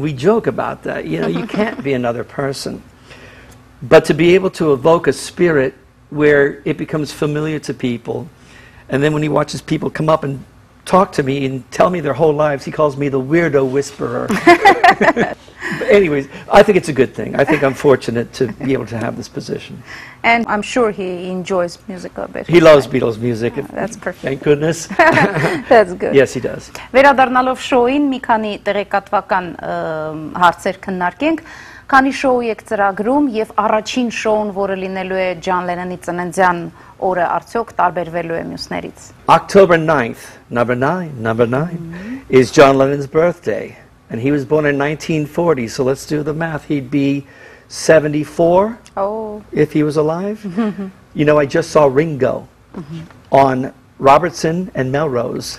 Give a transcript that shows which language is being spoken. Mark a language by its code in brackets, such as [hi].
[en] We joke about that. You know, you can't be another person. But to be able to evoke a spirit where it becomes familiar to people, and then when he watches people come up and talk to me and tell me their whole lives, he calls me the weirdo whisperer. But anyways, I think it's a good thing. I think I'm fortunate to be able to have this position. And I'm sure he enjoys music a bit. He loves Beatles music. Oh, that's perfect. Thank goodness. That's good. Yes, he does. [hy] Վերադառնալով շոուին, մի քանի տեղեկատվական հարցեր քննարկենք. Քանի շոու եք ծրագրում և առաջին շոուն, որը լինելու է Ջան Լենոնի ծննդյան օրը, արդյոք տարբերվելու է մյուսներից? [en] October 9th, number nine, mm-hmm. is John Lennon's birthday. And he was born in 1940, so let's do the math. He'd be 74 if he was alive. You know, I just saw Ringo on Robertson and Melrose.